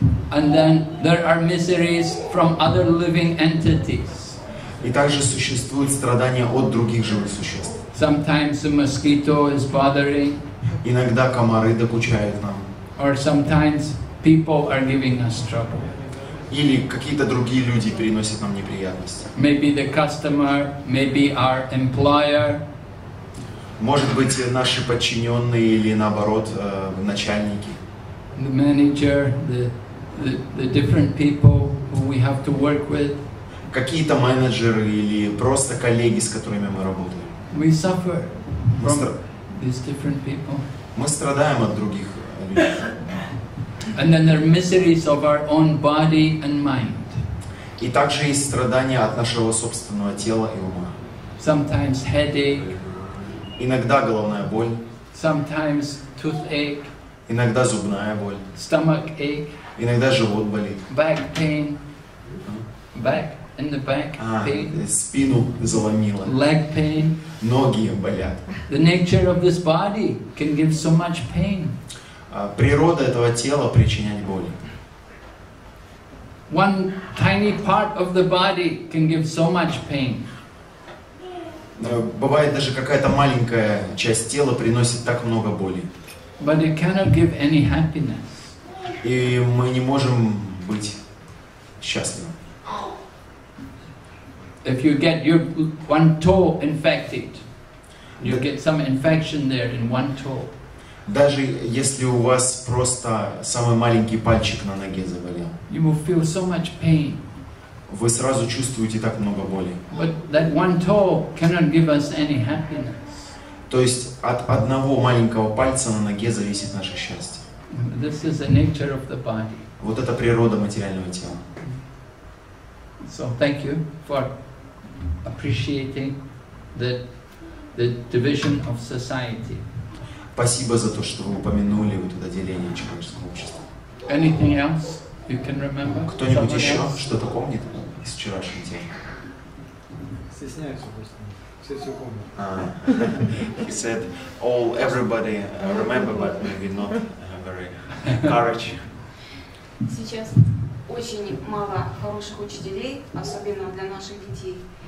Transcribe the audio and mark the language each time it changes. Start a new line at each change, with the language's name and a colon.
English: And then there are miseries from other living entities.
Russian: И также существуют страдания от других живых существ.
English: Sometimes a mosquito is bothering.
Russian: Иногда комары докучают нам.
English: Or sometimes people are giving us trouble.
Russian: Или какие-то другие люди приносят нам неприятности.
English: Maybe the customer, maybe our employer.
Russian: Может быть, наши подчиненные или наоборот, начальники.
English: The manager, the different people who we have to work with.
Russian: Какие-то менеджеры или просто коллеги, с которыми мы работаем.
English: We suffer from these different people.
Russian: Мы страдаем от других людей.
English: And then there are miseries of our own body and mind.
Russian: И также есть страдания от нашего собственного тела и ума.
English: Sometimes headache.
Russian: Иногда головная боль.
English: Sometimes toothache.
Russian: Иногда зубная боль.
English: Stomach ache.
Russian: Иногда живот болит.
English: Back pain. Back in the back pain.
Russian: Спину заломило.
English: Leg pain.
Russian: Ноги болят.
English: The nature of this body can give so much pain.
Russian: Природа этого тела причиняет боли.
English: One tiny part of the body can give so much pain.
Russian: Бывает даже какая-то маленькая часть тела приносит так много боли.
English: But it cannot give any happiness.
Russian: И мы не можем быть счастливы.
English: If you get your one toe infected, you get some infection there in one toe.
Russian: Даже если у вас просто самый маленький пальчик на ноге заболел,
English: you will feel so much pain.
Russian: вы сразу чувствуете так много боли.
English: But that one toe cannot give us any happiness.
Russian: То есть от одного маленького пальца на ноге зависит наше счастье.
English: This is the nature of the body.
Russian: Вот это природа материального тела.
English: So thank you for appreciating the division of society.
Russian: Спасибо за то, что вы упомянули вот это деление человеческого общества.
English: Anything else you can remember?
Russian: Кто-нибудь еще что-то помнит из вчерашнего дня? Стесняются просто. Все помнят.
English: He said all everybody remember, but maybe not very courage.
Russian: Сейчас очень мало хороших учителей, особенно для наших детей.